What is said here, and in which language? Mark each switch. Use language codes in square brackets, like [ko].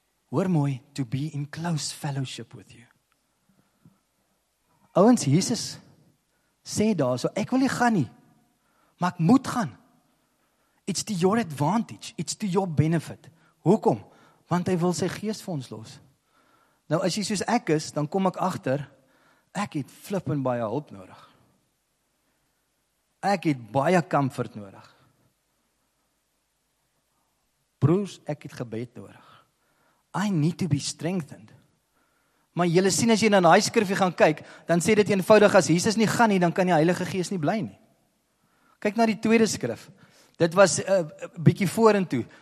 [af] Hoor mooi, [en] to be in close fellowship with you." [af] Ouens, Jesus sê daar, so ek wil nie gaan nie, maar ek moet gaan. [en] It's to your advantage, it's to your benefit. [af] Hoekom? Want hy wil sy gees vir ons los. Nou, as jy soos ek is, dan kom ek achter, ek het flippin' baie hulp nodig. Ek het baie comfort nodig. Broers, ek het gebed nodig. [en] I need to be strengthened. [af] Maar jylle sien, as jy na die skrifie gaan kyk, dan sê dit eenvoudig, as Jesus nie gaan nie, dan kan die Heilige Gees nie bly nie. Kyk na die tweede skrif. Dit was bietjie vorentoe.